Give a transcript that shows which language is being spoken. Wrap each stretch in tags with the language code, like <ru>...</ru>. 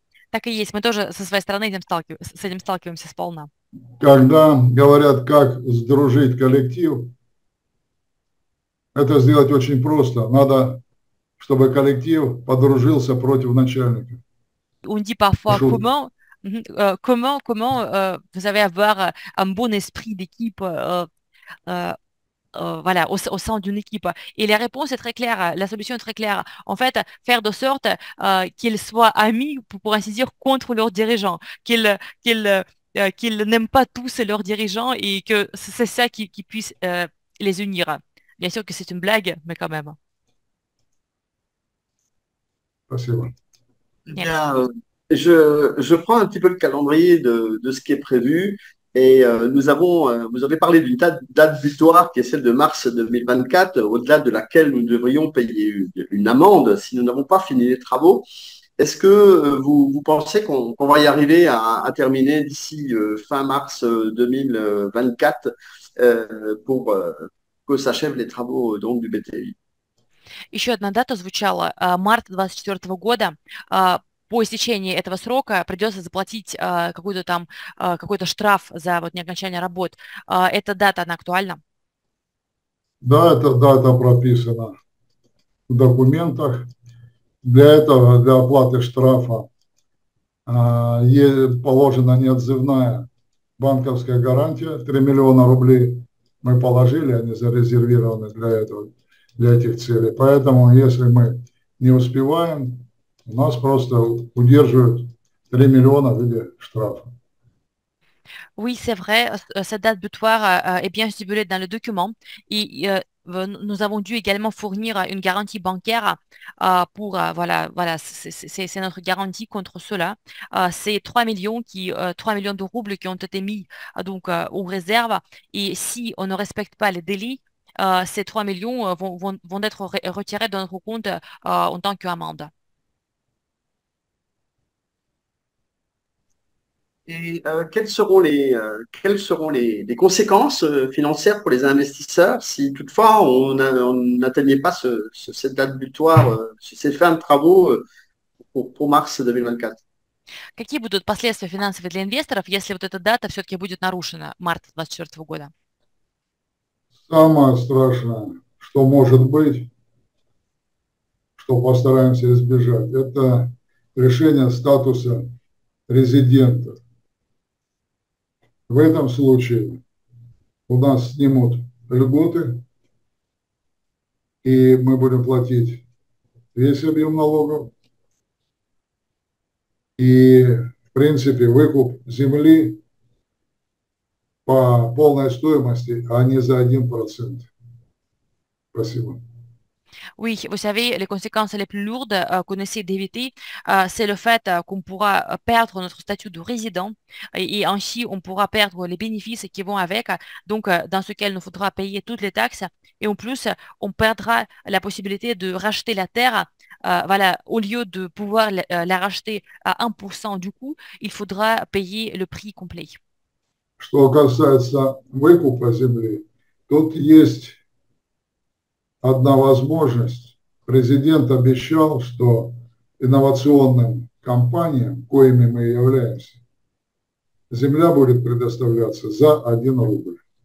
<ru>Так и есть, мы тоже со своей стороны с этим сталкиваемся сполна. Когда говорят, как сдружить коллектив, это сделать очень просто. Надо, чтобы коллектив подружился против начальника. On дит парфois Шутка.</ru> <fr>comment vous savez avoir un bon esprit d'équipe voilà, au sein d'une équipe. Et la réponse est très claire, la solution est très claire. En fait, faire de sorte qu'ils soient amis, pour ainsi dire, contre leurs dirigeants, qu'ils n'aiment pas tous leurs dirigeants et que c'est ça qui puisse les unir. Bien sûr que c'est une blague, mais quand même. Merci. Bien, je prends un petit peu le calendrier de ce qui est prévu Et nous avons, vous avez parlé d'une date butoir qui est celle de mars 2024, au-delà de laquelle nous devrions payer une amende si nous n'avons pas fini les travaux. Est-ce que vous pensez qu'on va y arriver à terminer d'ici fin mars 2024 pour que s'achèvent les travaux donc du BTI?</fr> <ru>Еще одна дата звучала, март 2024 года. По истечении этого срока придется заплатить какой-то там какой-то штраф за вот неокончание работ. Эта дата, она актуальна? Да, эта дата прописана в документах. Для оплаты штрафа ей положена неотзывная банковская гарантия. 3 миллиона рублей мы положили, они зарезервированы для этого, для этих целей. Поэтому, если мы не успеваем, нас просто удерживают 3 миллиона в виде штрафа.</ru> <fr>Oui, c'est vrai, cette date butoir est bien stipulée dans le document et nous avons dû également fournir une garantie bancaire pour, voilà, c'est notre garantie contre cela. C'est 3 millions 3 millions de roubles qui ont été mis donc aux réserves et si on ne respecte pas les délais, ces 3 millions vont être retirés de notre compte en tant qu'amende. Et quelles seront les conséquences financières pour les investisseurs si toutefois on n'atteignait pas cette date butoir, ces fins de travaux pour mars 2024?</fr> <ru>Какие будут последствия финансовые для инвесторов, если вот эта дата все-таки будет нарушена, март 2024 года? Самое страшное, что может быть, что постараемся избежать, это решение статуса резидента. В этом случае у нас снимут льготы, и мы будем платить весь объем налогов. И, в принципе, выкуп земли по полной стоимости, а не за 1%. Спасибо.</ru> <fr>Oui, vous savez, les conséquences les plus lourdes qu'on essaie d'éviter, c'est le fait qu'on pourra perdre notre statut de résident et ainsi on pourra perdre les bénéfices qui vont avec, donc dans ce cas, il nous faudra payer toutes les taxes et en plus, on perdra la possibilité de racheter la terre. Voilà, au lieu de pouvoir la racheter à 1% du coût, il faudra payer le prix complet.</fr> <ru>Что касается выкупа земли, тут есть одна возможность. Президент обещал, что инновационным компаниям, коими мы являемся, земля будет предоставляться за 1 рубль.</ru>